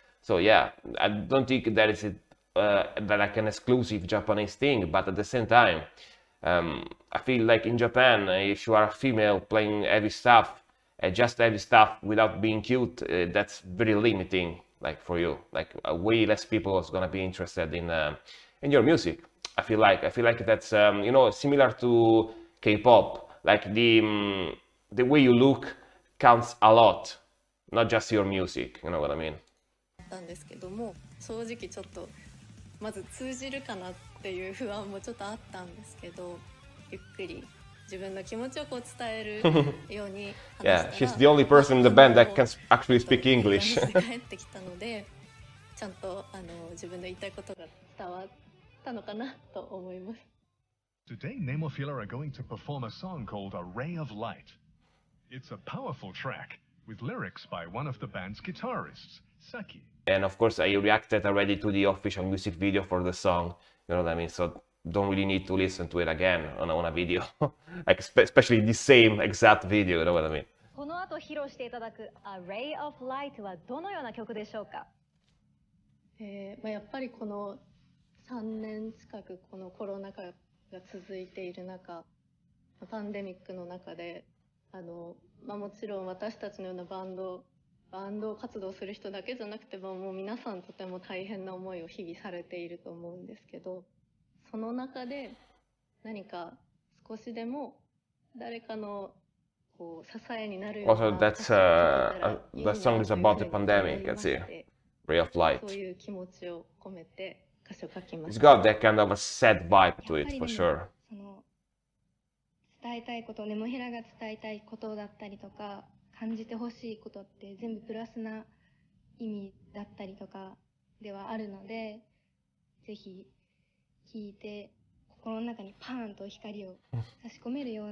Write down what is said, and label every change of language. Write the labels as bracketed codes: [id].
[en] So yeah, I don't think that is that like an exclusive Japanese thing, but at the same time,I feel like in Japan, if you are a female playing heavy stuff, just heavy stuff without being cute, that's very limiting, like, for you. Like, way less people is gonna be interested in your music. I feel like that's, you know, similar to K-pop. Like, the way you look counts a lot, not just your music, you know what I mean? [ja] なんですけども、正直ちょっと、まず通じるかなっていう不安もちょっとあったんですけど、ゆっくり自分の気持ちをこう伝えるように話したら、 [en] yeah, she's the only person in the band that can actually speak English. [ja] 帰ってきたので、ちゃんとあの自分の言いたいことが伝わったのかなと思います。 [en] Today, NEMOPHILA are going to perform a song called A Ray of Light. It's a powerful track with lyrics by one of the band's guitarists, Saki. And of course, I reacted already to the official music video for the song, you know what I mean? So. Don't really need to listen to it again on a video, like especially the same exact video, you know what I mean? [ja] この後披露していただく A Ray of Light はどのような曲でしょうか？まあ、やっぱりこの3年近くこのコロナ禍が続いている中、パンデミックの中で、あの、まあ、もちろん私たちのようなバンド活動する人だけじゃなくて、もう皆さんとても大変な思いを日々されていると思うんですけど、その中で何か少しでも誰かのこう支えになるような歌詞を歌ったらいいなというふうに思いまして、そういう気持ちを込めて箇所書きました。 [en] It's got that kind of a set vibe to it, for sure. [ja] その伝えたいこと、ネモフィラが伝えたいことだったりとか、感じてほしいことって全部プラスな意味だったりとかではあるので、ぜひ聞いて、心の中にパーンと光を差し込めるような